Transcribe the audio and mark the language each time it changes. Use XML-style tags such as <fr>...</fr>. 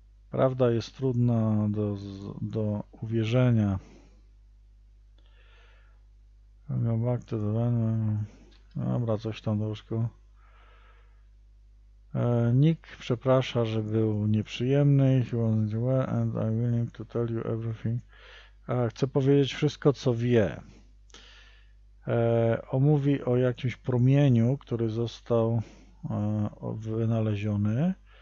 <pl>Prawda jest trudna do uwierzenia.</pl> <en>Go back to the venue.</en> <pl>Dobra, coś tam troszkę. Nick przeprasza, że był nieprzyjemny.</pl> <en>He wasn't well and I'm willing to tell you everything.</en> <pl>Chcę powiedzieć wszystko, co wie. Omówi o jakimś promieniu, który został wynaleziony.</pl>